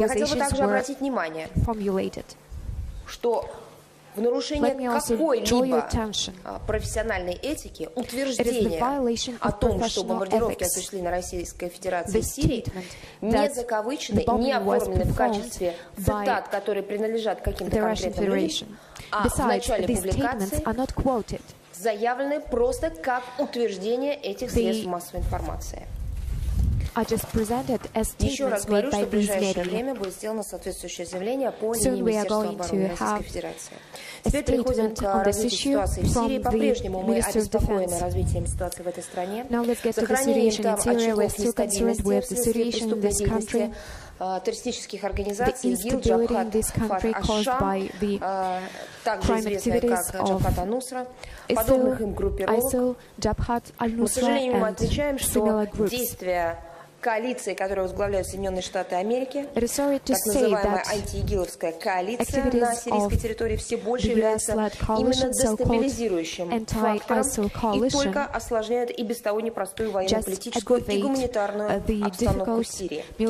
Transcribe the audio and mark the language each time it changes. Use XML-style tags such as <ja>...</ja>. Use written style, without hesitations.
<ru>я хотел бы также обратить внимание, что в нарушение какой-либо профессиональной этики утверждение о том, что бомбардировки осуществили на Российской Федерации в Сирии, не заковычены, не оформлены в качестве цитат, которые принадлежат каким-то конкретным людям, а в начале публикации заявлены просто как утверждение этих средств массовой информации.</ru> <en>I just presented as statements made by these media. Soon we are going to have a statement on this issue from the Minister of Defense. Now let's get to the situation in Syria. We are still concerned with the situation in this country.</en> <ru>Террористических организаций ИГИЛ, Джабхат, Фатх, Ашам, также известные как Джабхат Ан-Нусра, подобных им группировок. Мы, к сожалению, отмечаем, что действия коалиции, которую возглавляют Соединенные Штаты Америки, так называемая антиигиловская коалиция на сирийской территории, все больше является именно дестабилизирующим фактором и только осложняет и без того непростую военно-политическую и гуманитарную обстановку в Сирии.</ru>